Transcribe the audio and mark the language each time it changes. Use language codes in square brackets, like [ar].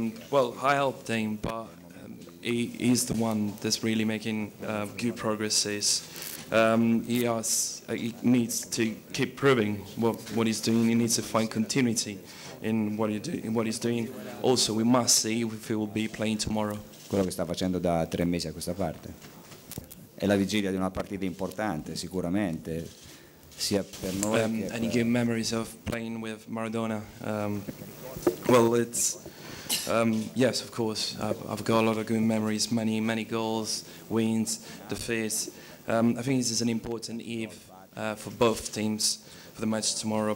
[en] Well, I helped him, but he's the one that's really making good progresses. He needs to keep proving what he's doing. He needs to find continuity in what he's doing. Also, we must see if he will be playing tomorrow. [it] Quello che sta facendo da tre mesi a questa parte. È la vigilia di una partita importante, sicuramente. Sia per noi che per... [en] And he gave memories of playing with Maradona. Well, it's... yes, of course. I've got a lot of good memories, many, many goals, wins, defeats. I think this is an important eve for both teams for the match tomorrow.